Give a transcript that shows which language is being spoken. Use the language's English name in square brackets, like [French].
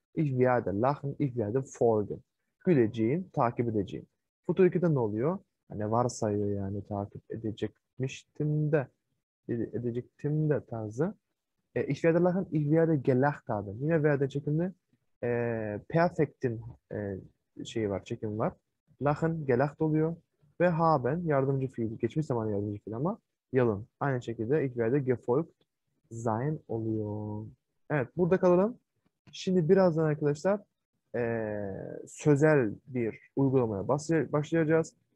[German] Ich werde lachen, ich werde folgen. [Turkish] Güleceğim, takip edeceğim. Futur 2'de ne oluyor? Hani varsayıyor yani takip edecekmiştim de. Edecektim de tarzı. [German] Ich werde lachen, ich werde gelacht haben. [Turkish] Yine werde çekimli. Perfect'in şeyi var, çekim var. Lachen, gelacht oluyor. Ve haben, yardımcı fiil. Geçmiş zaman yardımcı fiil ama yalın. Aynı şekilde [German] ich werde gefolgt sein [Turkish] oluyor. Evet, burada kalalım. Şimdi birazdan arkadaşlar sözel bir uygulamaya başlayacağız.